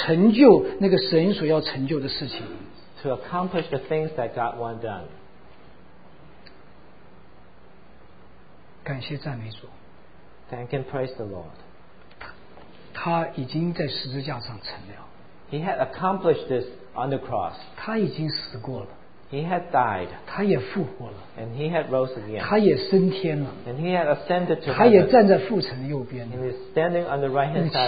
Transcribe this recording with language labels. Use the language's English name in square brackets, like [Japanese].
[Chinese] 是在这里要成就那个神所要成就的事情, [English] to accomplish the things that God wants done. [Chinese] 感谢赞美主, [English] thank and praise the Lord. [Chinese] 他已经在十字架上成了, [English] he had accomplished this on the cross. [Chinese] 他已经死过了, [English] he had died. [Chinese] 他也复活了, [English] and he had rose again. [Chinese] 他也升天了, [English] and he had ascended to heaven. [Chinese] 他也站在父神右边, [English] and he is standing on the right hand side of God.